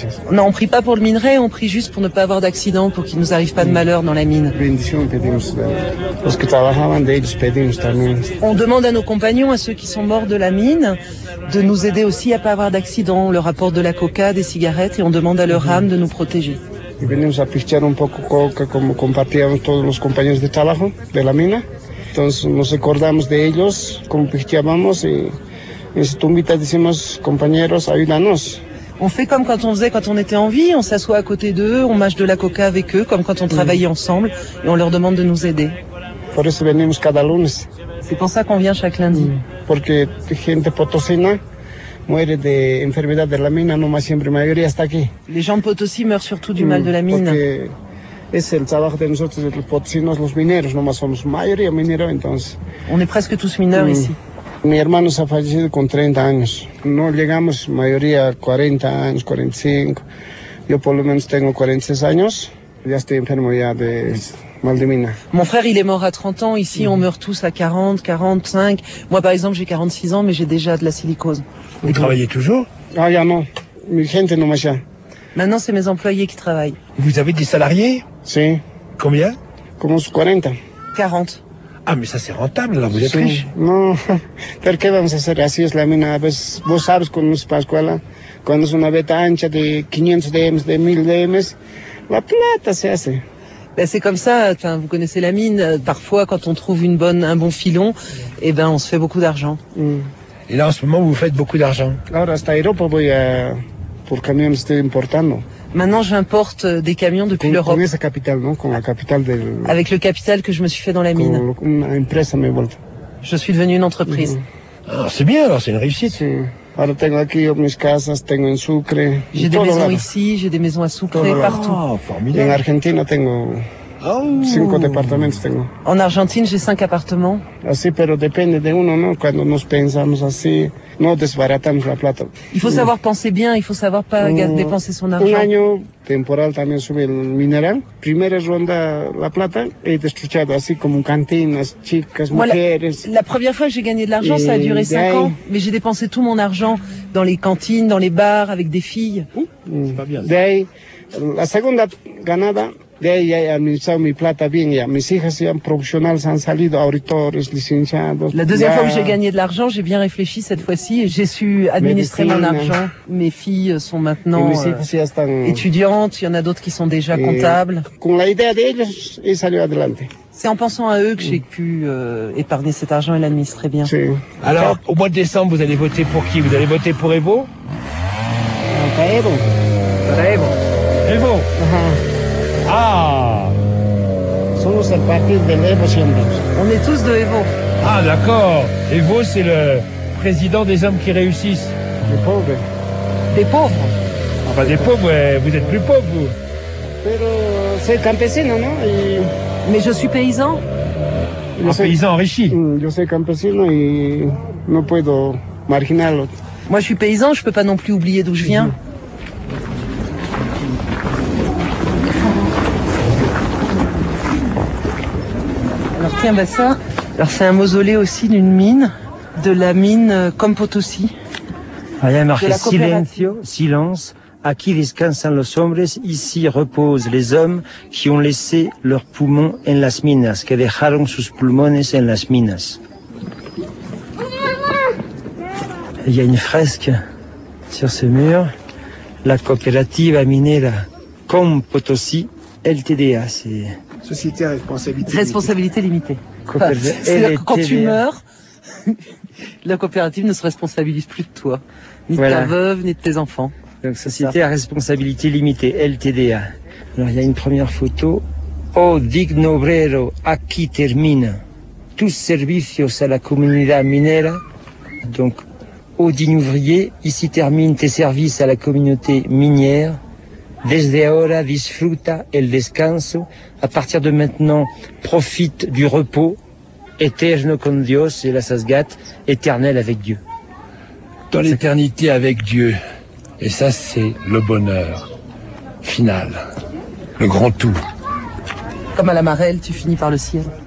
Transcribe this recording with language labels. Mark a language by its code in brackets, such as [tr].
[fr] Non, on prie pas pour le minerai, on prie juste pour ne pas avoir d'accident, pour qu'il nous arrive pas de malheur dans la mine. On demande à nos compagnons, à ceux qui sont morts de la mine, de nous aider aussi à pas avoir d'accident. On leur apporte de la coca, des cigarettes, et on demande à leur âme de nous protéger. [es] Venimos a pistear un poco coca como compartíamos todos los compañeros de trabajo de la mina. Entonces nos recordamos de ellos como pisteábamos y en su tumbita decimos compañeros ayúdanos. [fr] On fait comme quand on faisait quand on était en vie, on s'assoit à côté d'eux, on mâche de la coca avec eux comme quand on travaillait ensemble et on leur demande de nous aider. [es] Por eso venimos cada lunes. [fr] C'est pour ça qu'on vient chaque lundi. [es] Porque gente potosina muere de enfermedad de la mina, no más siempre mayoría hasta aquí. [fr] Les gens de Potosí meurent surtout du mal de la mine. [es] Porque es el trabajo de nosotros, de los potosinos, los mineros, no más somos mayoría minero, entonces. [fr] On est presque tous mineurs ici. [es] Mi hermano se ha fallecido con 30 años. No llegamos mayoría 40 años, 45. Yo por lo menos tengo 46 años. Ya estoy enfermo ya de mal de mina. [fr] Mon frère, il est mort à 30 ans. Ici, on meurt tous à 40, 45. Moi, par exemple, j'ai 46 ans, mais j'ai déjà de la silicose. Vous travaillez toujours? [es] Ah, ya no. Mi gente no más ya. [fr] Maintenant, c'est mes employés qui travaillent. Vous avez des salariés? [es] Si. [fr] Combien? [es] Como 40. [fr] 40. Ah, mais ça, c'est rentable, là, vous êtes riche. Non. [es] ¿Por qué vamos a hacer así es la mina? Pues, vos sabes, cuando es Pascuala, cuando es una veta ancha de 500 DMs, de 1000 DMs, la plata se hace. [fr] Ben c'est comme ça, enfin, vous connaissez la mine, parfois quand on trouve un bon filon, eh ben, on se fait beaucoup d'argent. Et là en ce moment vous faites beaucoup d'argent. [es] Ahora hasta Europa voy a, por camión estoy importando. [fr] Maintenant j'importe des camions depuis l'Europe. [es] Con esa capital, ¿no? Con la capital del... [fr] Avec le capital que je me suis fait dans la mine. [es] Una empresa me vuelve. [fr] Je suis devenu une entreprise. Ah, c'est bien alors, c'est une réussite. [es] Sí. Ahora tengo aquí mis casas, tengo en Sucre. [fr] J'ai des maisons ici, j'ai des maisons à Sucre, partout. Oh, formidable. [es] En Argentina tengo 5 appartements tengo. [fr] En Argentine, j'ai 5 appartements. [es] Así, pero depende de uno, ¿no? Cuando nos pensamos así, no desbaratamos la plata. [fr] Il faut savoir penser bien, il faut savoir pas dépenser son argent. [es] Un año temporal también sube el mineral. Primera ronda la plata y destruchado, así como cantinas, chicas, [fr] moi, [es] mujeres. [fr] La première fois que j'ai gagné de l'argent, ça a duré 5 ans, mais j'ai dépensé tout mon argent dans les cantines, dans les bars, avec des filles. C'est pas bien. [es] La segunda ganada, de ahí ya he administrado mi plata bien ya. Mis hijas ya profesionales han salido, auditores, licenciados. [fr] La deuxième fois que j'ai gagné de l'argent, j'ai bien réfléchi cette fois-ci et j'ai su administrer mon argent. Mes filles sont maintenant étudiantes, il y en a d'autres qui sont déjà comptables. [es] Con la idea de ellos, he salido adelante. [fr] C'est en pensant à eux que j'ai pu épargner cet argent et l'administrer bien. [es] Sí. [fr] Alors, au mois de décembre, vous allez voter pour qui? Vous allez voter pour Evo? Evo. Evo. Evo. Ah. [es] Somos el partido de Evo siempre. [fr] On est tous de Evo. Ah, d'accord. Evo, c'est le président des hommes qui réussissent. Des pauvres. Des pauvres. Ah, bah, des pauvres, ouais. Vous êtes plus pauvres, vous. [es] Pero soy campesino, ¿no? [fr] Mais je suis paysan. Un paysan enrichi. [es] Yo soy campesino y no puedo marginarlo. [fr] Moi, je suis paysan, je peux pas non plus oublier d'où je viens. Alors tiens, bah ça, alors c'est un mausolée aussi d'une mine, de la mine Compotosi. Il y a marqué silencio, silence, [es] aquí descansan los hombres, [fr] ici reposent les hommes qui ont laissé leurs poumons [es] en las minas, que dejaron sus pulmones en las minas. [fr] Il y a une fresque sur ce mur, la coopérative minera Compotosi, LTDA, c'est... Société à responsabilité, responsabilité limitée. C'est-à-dire que quand tu meurs, la coopérative ne se responsabilise plus de toi, ni de ta veuve, ni de tes enfants. Donc Société à responsabilité limitée, LTDA. Alors il y a une première photo. [es] Oh, digno obrero, aquí termina. Tous servicios a la comunidad minera. [fr] Donc, oh, digno ouvrier, ici termine tes services à la communauté minière. [es] Desde ahora disfruta el descanso. [fr] À partir de maintenant, profite du repos. [es] Eterno con Dios, et la Sasgat, [fr] éternel avec Dieu. Dans l'éternité avec Dieu. Et ça, c'est le bonheur final. Le grand tout. Comme à la Marelle, tu finis par le ciel.